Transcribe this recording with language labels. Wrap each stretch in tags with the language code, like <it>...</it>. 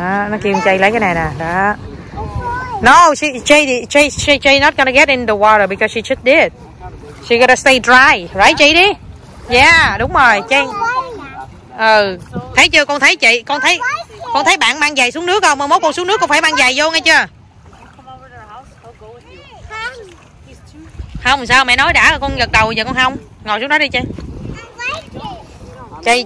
<vi>Nó kêu con trai lấy cái này nè, đó.</vi> <en>No, she not gonna get in the water because she just did. She gonna stay dry, right, JD?</en> <vi>Yeah, đúng rồi,</vi> <en>Jay.</en> <vi>Ừ, thấy chưa, con thấy chị, con thấy bạn mang giày xuống nước không? Mà mốt con xuống nước con phải mang giày vô nghe chưa? Không, sao mẹ nói đã, con gật đầu giờ con không? Ngồi xuống đó đi, Jay.</vi>